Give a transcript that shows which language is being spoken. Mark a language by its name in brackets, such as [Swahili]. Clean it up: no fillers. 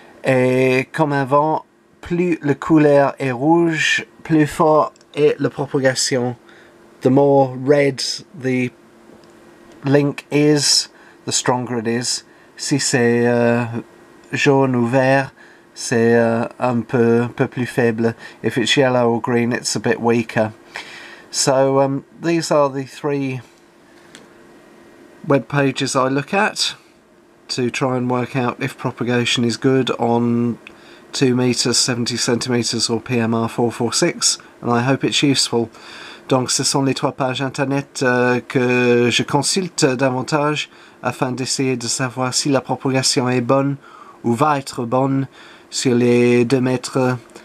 [French] Et comme avant, plus le couleur est rouge, plus fort est la propagation. [English] The more red the link is, the stronger it is. [French] Si c'est jaune ou vert, c'est un peu plus faible. [English] If it's yellow or green, it's a bit weaker. So these are the three web pages I look at to try and work out if propagation is good on 2 meters, 70 centimeters or PMR 446, and I hope it's useful. [French] Donc ce sont les trois pages internet que je consulte davantage afin d'essayer de savoir si la propagation est bonne ou va être bonne sur les 2 mètres,